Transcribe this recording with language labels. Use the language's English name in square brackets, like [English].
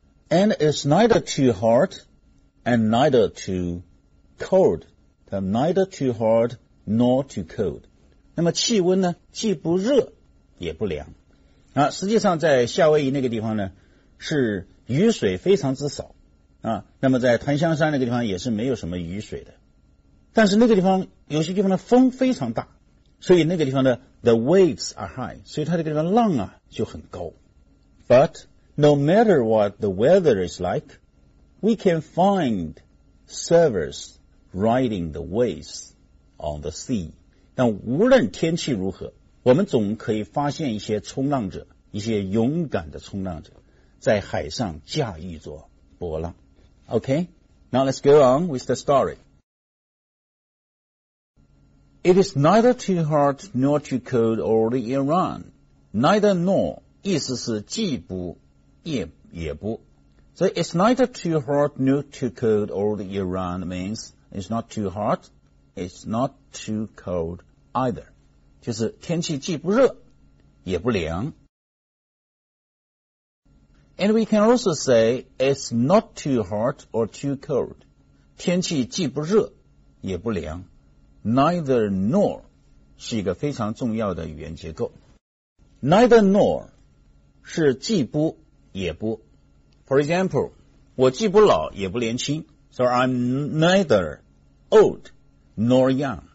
[English] And it's neither too hot and neither too cold, neither too hot nor too cold. [Chinese] 那么气温呢既不热也不凉。啊，实际上在夏威夷那个地方呢是雨水非常之少。啊，那么在檀香山那个地方也是没有什么雨水的。但是那个地方有些地方的风非常大，所以那个地方的 [English] the waves are high， [Chinese] 所以它这个地方浪啊就很高。 [English] But no matter what the weather is like, we can find surfers riding the waves on the sea。 [Chinese] 但无论天气如何，我们总可以发现一些冲浪者，一些勇敢的冲浪者在海上驾驭着波浪。 [English] Okay, now let's go on with the story. It is neither too hot nor too cold all the year round. [Chinese] Neither nor 意思是既不也不。 [English] So it's neither too hot nor too cold all the year round means it's not too hot, it's not too cold either. [Chinese] 就是天气既不热也不凉。 [English] And we can also say it's not too hot or too cold. [Chinese] 天气既不热也不凉。 [English] Neither nor [Chinese] 是一个非常重要的语言结构。 neither nor 是既不也不。 [English] For example, [Chinese] 我既不老也不年轻。 [English] So I'm neither old nor young.